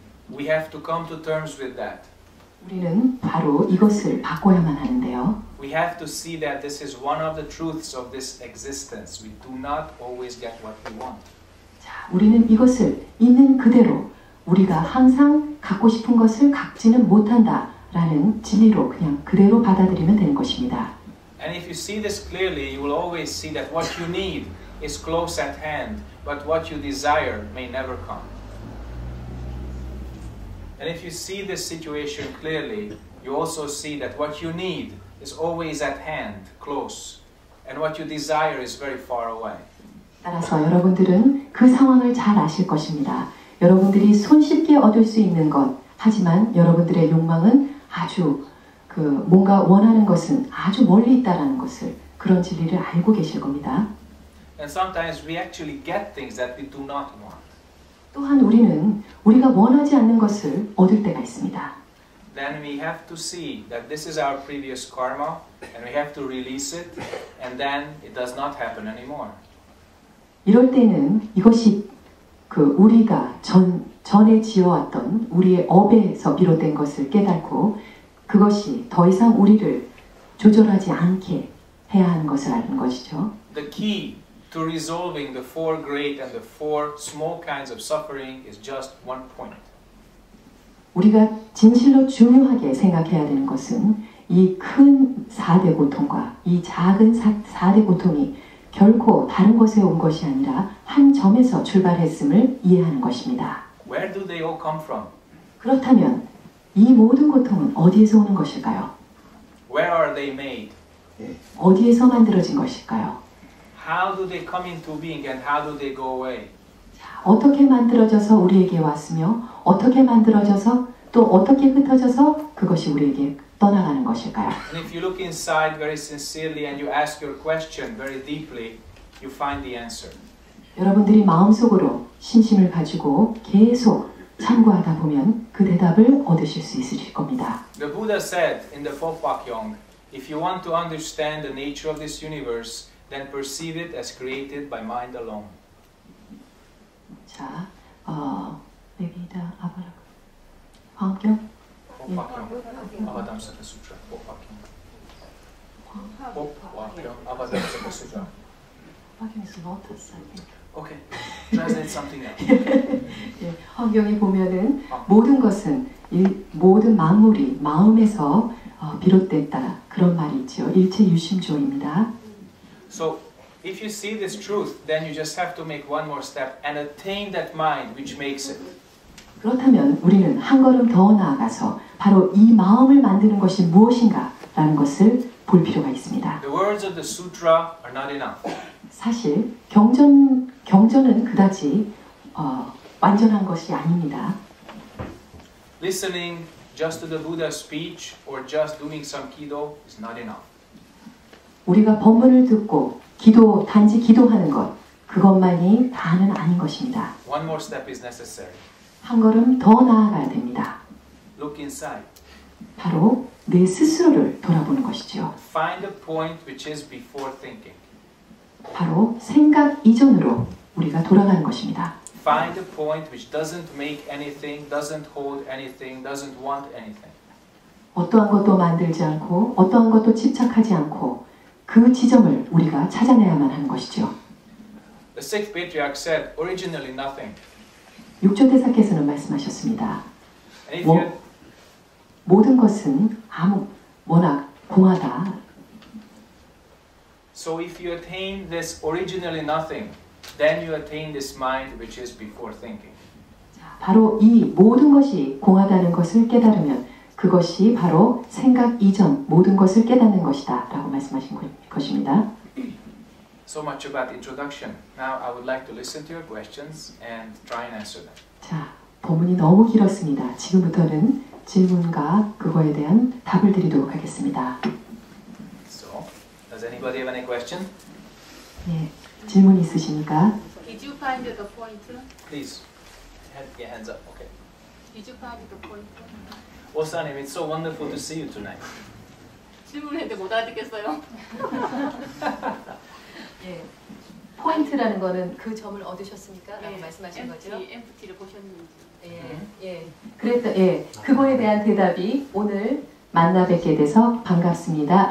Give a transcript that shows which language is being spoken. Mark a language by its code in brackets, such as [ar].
[en] We have to come to terms with that. [ko] 우리는 바로 이것을 바꿔야만 하는데요. [en] We have to see that this is one of the truths of this existence. We do not always get what we want. [ko] 자, 우리는 이것을 있는 그대로 우리가 항상 갖고 싶은 것을 갖지는 못한다라는 진리로 그냥 그대로 받아들이면 되는 것입니다. [en] And if you see this clearly, you will always see that what you need is close at hand, but what you desire may never come. And if you see this situation clearly, you also see that what you need is always at hand, close, and what you desire is very far away. [ko] 따라서 여러분들은 그 상황을 잘 아실 것입니다. 여러분들이 손쉽게 얻을 수 있는 것, 하지만 여러분들의 욕망은 아주 뭔가 원하는 것은 아주 멀리 있다라는 것을 그런 진리를 알고 계실 겁니다. [en] And sometimes we actually get things that we do not want. [ko] 또한 우리는 우리가 원하지 않는 것을 얻을 때가 있습니다. [en] Then we have to see that this is our previous karma and we have to release it and then it does not happen anymore. [ko] 이럴 때는 이것이 우리가 전에 지어왔던 우리의 업에서 비롯된 것을 깨닫고 그것이 더 이상 우리를 조절하지 않게 해야 하는 것을 아는 것이죠. [en] The key to resolving the four great and the four small kinds of suffering is just one point. [ko] 우리가 진실로 중요하게 생각해야 되는 것은 이 큰 4대 고통과 이 작은 4대 고통이 결코 다른 곳에 온 것이 아니라 한 점에서 출발했음을 이해하는 것입니다. [en] Where do they all come from? [ko] 그렇다면 이 모든 고통은 어디에서 오는 것일까요? [en] Where are they made? [ko] 어디에서 만들어진 것일까요? [en] How do they come into being and how do they go away? [ko] 어떻게 만들어져서 우리에게 왔으며 어떻게 만들어져서 또 어떻게 흩어져서 그것이 우리에게 떠나가는 것일까요? [en] And if you look inside very sincerely and you ask your question very deeply, you find the answer. [ko] 여러분들이 마음속으로 신심을 가지고 계속 참고하다 보면 그 대답을 얻으실 수 있으실 겁니다. [en] The Buddha said in the Phokpakyong, if you want to understand the nature of this universe, then perceive it as created by mind alone. [ko] 자, 레비다 아바라 광경? 아바담사카 수트라, 광경 아바담사카 수트라 [en] 광경 is not a sign. Okay, translate something else. [ko] 광경에 보면은 모든 것은 모든 만물이 마음에서 비롯됐다 그런 말이 있죠. 일체 유심조입니다. [en] So if you see this truth, then you just have to make one more step and attain that mind which makes it. [ko] 그렇다면 우리는 한 걸음 더 나아가서 바로 이 마음을 만드는 것이 무엇인가라는 것을 볼 필요가 있습니다. [en] The words of the sutra are not enough. [ko] 사실 경전은 그다지 완전한 것이 아닙니다. [en] Listening just to the Buddha's speech or just doing some kido is not enough. [ko] 우리가 법문을 듣고 기도 단지 기도하는 것 그것만이 다는 아닌 것입니다. [en] One more step is necessary. [ko] 한 걸음 더 나아가야 됩니다. [en] Look inside. [ko] 바로 내 스스로를 돌아보는 것이지요. [en] Find the point which is before thinking. [ko] 바로 생각 이전으로 우리가 돌아가는 것입니다. [en] find a point which doesn't make anything, doesn't hold anything, doesn't want anything. [ko] 어떠한 것도 만들지 않고 어떠한 것도 집착하지 않고 그 지점을 우리가 찾아내야만 하는 것이죠. [en] The sixth patriarch said originally nothing. [ko] 6조 대사께서는 말씀하셨습니다. 모든 것은 아무 워낙 공하다. [en] So if you attain this originally nothing, then you attain this mind which is before thinking. [ko] 바로 이 모든 것이 공하다는 것을 깨달으면 그것이 바로 생각 이전 모든 것을 깨닫는 것이다라고 말씀하신 것입니다. [en] So much about the introduction. Now I would like to listen to your questions and try and answer them. [ko] 자, 본문이 너무 길었습니다. 지금부터는 질문과 그거에 대한 답을 드리도록 하겠습니다. [en] So, does anybody have any question? [ko] 예, 질문 있으십니까? [en] Did you find the point? Please, have your hands up. Okay. Did you find the point? Oh, Sanim, it's so wonderful to see you tonight. [ko] 질문했는데 못 알아듣겠어요. 예, 포인트라는 거는 그 점을 얻으셨습니까? 라고 예, 말씀하신 [en] empty, [ko] 거죠? Empty를 보셨는지. 예. 그거에 대한 대답이 오늘 만나 뵙게 돼서 반갑습니다.